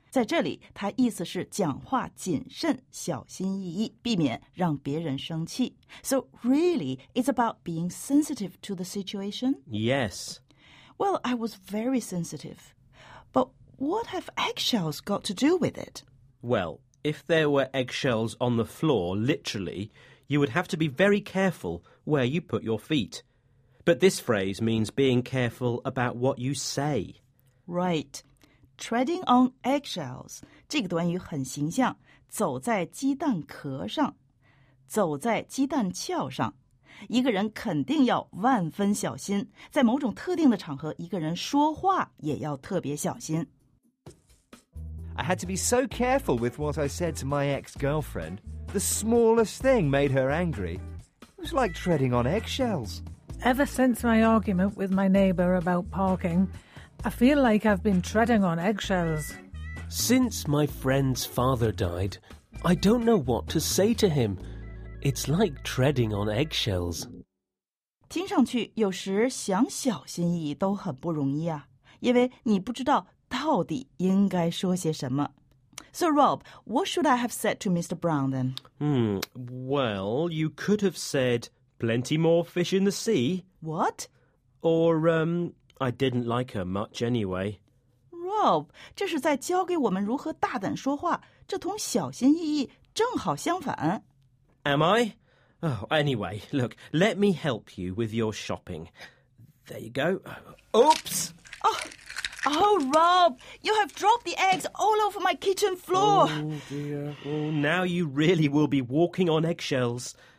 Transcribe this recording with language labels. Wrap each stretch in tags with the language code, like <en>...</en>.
<zh>在这里它意思是讲话谨慎小心翼翼避免让别人生气。</zh> <en>So really, it's about being sensitive to the situation? Yes. Well, I was very sensitive. But what have eggshells got to do with it? Well, if there were eggshells on the floor, literally... You would have to be very careful where you put your feet. But this phrase means being careful about what you say. Right. Treading on eggshells.</en> <zh>这个短语很形象。走在鸡蛋壳上。走在鸡蛋壳上。一个人肯定要万分小心。在某种特定的场合一个人说话也要特别小心。</zh> <en>I had to be so careful with what I said to my ex-girlfriend. The smallest thing made her angry. It was like treading on eggshells. Ever since my argument with my neighbour about parking, I feel like I've been treading on eggshells. Since my friend's father died, I don't know what to say to him. It's like treading on eggshells.</en> <zh>听上去有时想小心翼翼都很不容易啊，因为你不知道到底应该说些什么。</zh> <en>So, Rob, what should I have said to Mr. Brown then? Well, you could have said, plenty more fish in the sea. What? Or, I didn't like her much anyway.</en> <zh>Rob, 这是在教给我们如何大胆说话。这同小心翼翼正好相反。</zh> <en>Am I? Oh, anyway, look, let me help you with your shopping. There you go. Oops! Oh! Oh, Rob, you have dropped the eggs all over my kitchen floor. Oh, dear. Oh, now you really will be walking on eggshells.</en>